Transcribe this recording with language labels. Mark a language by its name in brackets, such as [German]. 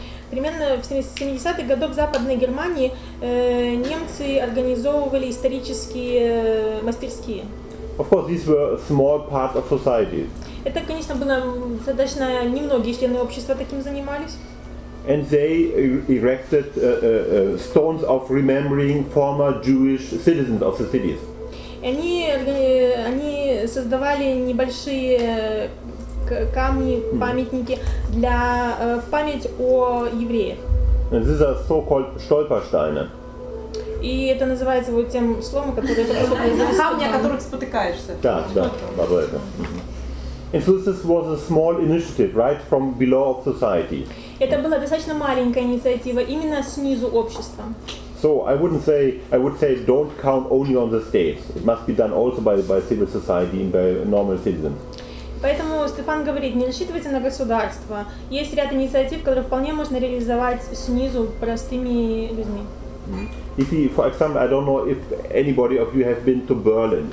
[Russian] Примерно в 70-х годах в Западной Германии немцы организовывали исторические мастерские. [English] Of course, these were small parts of society. [Russian] Это, конечно, было достаточно немногие члены общества таким занимались. [English] And they erected stones of remembering former Jewish citizens of the cities. [Russian] Они создавали небольшие камни, памятники для память о евреях. [English] And these are so-called Stolpersteine. [Russian] И это называется вот тем словом, которое камни, о которых спотыкаешься. Да, да, да, да, да. [English] And so this was a small initiative, right, from below of society. [Russian] Это была достаточно маленькая инициатива именно снизу общества. [English] So I would say don't count only on the states. It must be done also by civil society and by normal citizens. [Russian] Поэтому Стефан говорит, не рассчитывайте на государство. Есть ряд инициатив, которые вполне можно реализовать снизу простыми людьми. [English] If you, for example, I don't know if anybody of you have been to Berlin.